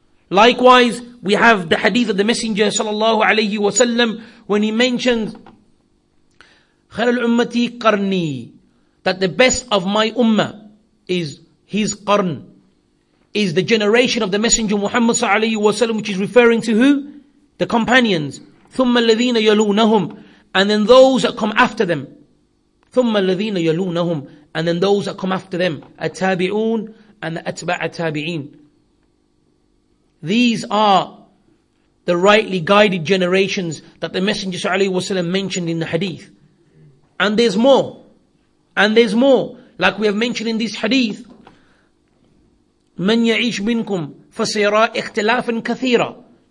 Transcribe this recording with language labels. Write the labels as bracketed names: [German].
[English] Likewise, we have the hadith of the Messenger sallallahu alayhi wa sallam, when he mentions [Arabic] خَلَ الْأُمَّةِ قَرْنِي, [English] that the best of my ummah is his qarn, is the generation of the Messenger Muhammad sallallahu alayhi wa sallam, which is referring to who? The companions. [Arabic] ثُمَّ الَّذِينَ يَلُونَهُمْ, [English] and then those that come after them. [Arabic] ثُمَّ الَّذِينَ يَلُونَهُمْ, [English] and then those that come after them. [Arabic] التابعون [English] and the [Arabic] أتباع التابعين. [English] These are the rightly guided generations that the Messenger sallallahu alayhi wa sallam mentioned in the hadith. And there's more. And there's more. Like we have mentioned in this hadith, [Arabic] مَنْ يَعِيشْ مِنْكُمْ فَسَيْرَى اِخْتِلَافًا كَثِيرًا.